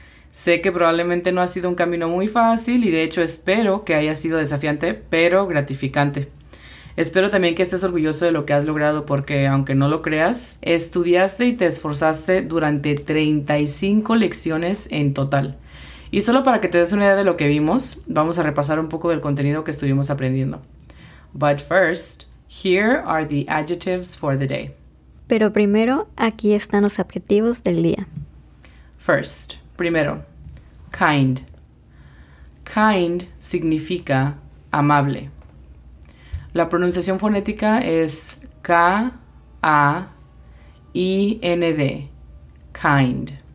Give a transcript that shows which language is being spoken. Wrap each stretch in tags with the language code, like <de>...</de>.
<es>Sé que probablemente no ha sido un camino muy fácil y de hecho espero que haya sido desafiante, pero gratificante. Espero también que estés orgulloso de lo que has logrado porque, aunque no lo creas, estudiaste y te esforzaste durante 35 lecciones en total. Y solo para que te des una idea de lo que vimos, vamos a repasar un poco del contenido que estuvimos aprendiendo.</es> <en>But first, here are the adjectives for the day.</en> <es>Pero primero, aquí están los adjetivos del día. First, primero, kind. Kind significa amable. La pronunciación fonética es K-A-I-N-D, kind.</es>